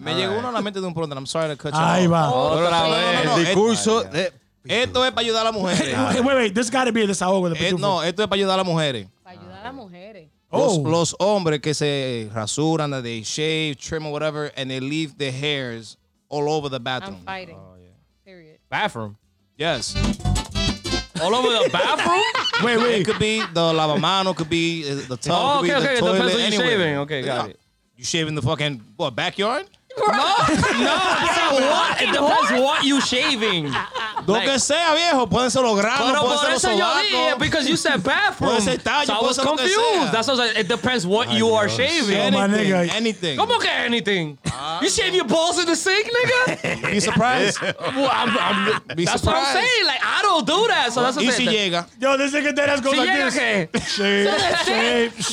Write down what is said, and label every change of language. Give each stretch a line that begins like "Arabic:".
Spanish: Me llegó uno a la mente de un pronto.
English: I'm sorry to cut you
Spanish: ahí
English: off.
Spanish: Va. Otra vez. Discurso de... Esto es para ayudar a las mujeres.
English: Wait, this gotta be a desahogo.
Spanish: No, esto es para ayudar a las mujeres. Para ayudar a las mujeres. Los hombres que se rasuran,
English: that they shave, trim or whatever, and they leave the hairs all over the bathroom. I'm fighting. Oh, yeah. Period. Bathroom? Yes. All over the bathroom? Wait. It could be the lavamano, could be the tub, could be the toilet, depends anywhere. Okay, you shaving. Okay, got it. You shaving the fucking, what, backyard? No, it depends what you shaving.
Spanish: Lo que sea, viejo, pueden ser los granos, pueden ser los sobacos.
English: Because you said bathroom, so I was confused. That's what I was like, it depends what you are shaving. Anything.
Spanish: ¿Cómo que
English: anything? You shave your balls in the sink, nigga? Be surprised. That's what I'm saying. Like, I don't do that. So that's what I'm saying.
Spanish: Y si llega.
English: Yo, this nigga dead ass goes like this.